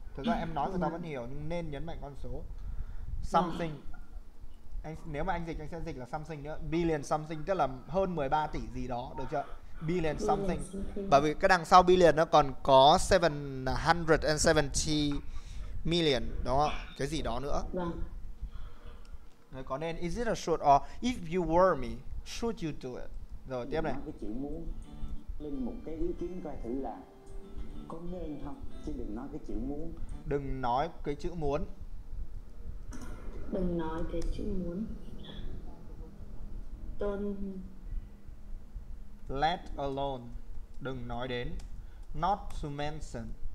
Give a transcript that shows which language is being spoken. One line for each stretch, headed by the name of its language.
Vietnamese: Thực ra em nói người ta vẫn hiểu nhưng nên nhấn mạnh con số. Something. Anh, nếu mà anh dịch, anh sẽ dịch là something nữa. Billion something tức là hơn 13 tỷ gì đó, được chưa? Billion something. Bởi vì cái đằng sau billion nó còn có 770 million đó, cái gì đó nữa. Rồi có nên
English: is it a should or if you were me, should you do it?
Vietnamese: Rồi tiếp này. Linh một cái ý kiến coi thử là có nên không, chứ đừng nói cái chữ muốn. Đừng nói cái chữ muốn. Đừng nói cái chữ muốn.
English: Don't let alone.
Vietnamese: Đừng nói đến.
English: Not to mention.